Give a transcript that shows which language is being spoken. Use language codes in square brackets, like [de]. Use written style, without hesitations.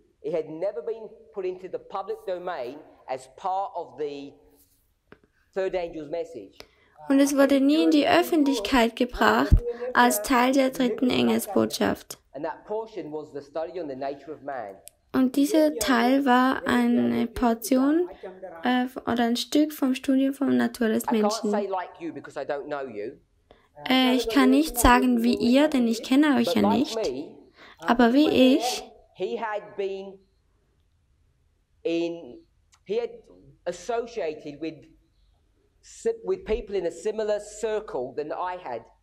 [en] It had never been put into the public domain as part of the third angel's message. [de] Und es wurde nie in die Öffentlichkeit gebracht als Teil der dritten Engelsbotschaft. [en] And that portion was the study on the nature of man. [de] Und dieser Teil war eine Portion oder ein Stück vom Studium von Natur des Menschen. [en] I can't say like you because I don't know you. [de] Ich kann nicht sagen wie ihr, denn ich kenne euch ja nicht. Aber wie ich. [en] He had associated with people in a similar circle than I had.